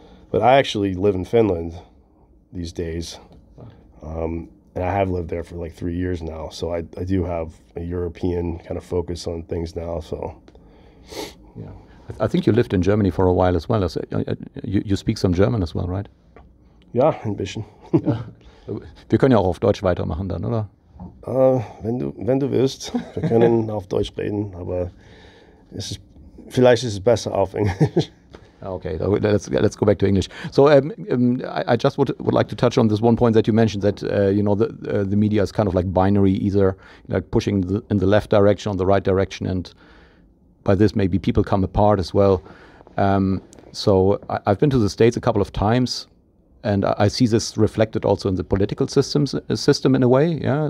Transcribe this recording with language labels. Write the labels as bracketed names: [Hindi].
[English] But I actually live in Finland these days. And I have lived there for like 3 years now. So I do have a European kind of focus on things now. So, yeah. I think you lived in Germany for a while as well. You speak some German as well, right? [German] Ja, ein bisschen. Ja. Wir können ja auch auf Deutsch weitermachen dann, oder? Wenn du willst, wir können auf Deutsch reden, aber vielleicht ist es besser auf Englisch. [English] Okay, let's go back to English. So I just would like to touch on this one point that you mentioned, that you know, the media is kind of like binary, either like pushing in the left direction, on the right direction, and by this, maybe people come apart as well. So I've been to the States a couple of times, and I see this reflected also in the political system in a way. Yeah.